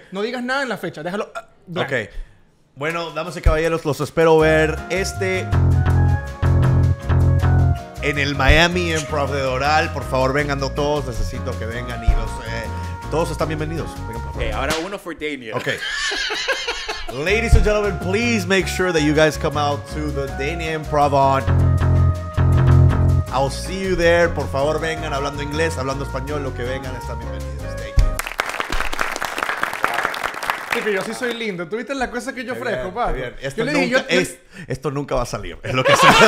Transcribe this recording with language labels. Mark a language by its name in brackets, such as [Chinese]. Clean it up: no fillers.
[Spanish] No digas nada en la fecha, déjalo. Ok. Bueno, damas y caballeros, los espero ver este en el Miami Improv de Doral. Por favor, vengan todos. Necesito que vengan y los todos están bienvenidos. Vengan, por favor. Okay, ahora uno for Daniel. Okay. [English] Ladies and gentlemen, please make sure that you guys come out to the Daniel Improv on. I'll see you there. [Spanish] Por favor, vengan hablando inglés, hablando español, lo que vengan están bienvenidos. Que yo sí soy lindo. ¿Tú viste la cosa que yo ofrezco, pa? Bien. Esto, yo le dije, nunca, esto nunca va a salir. Es lo que sé.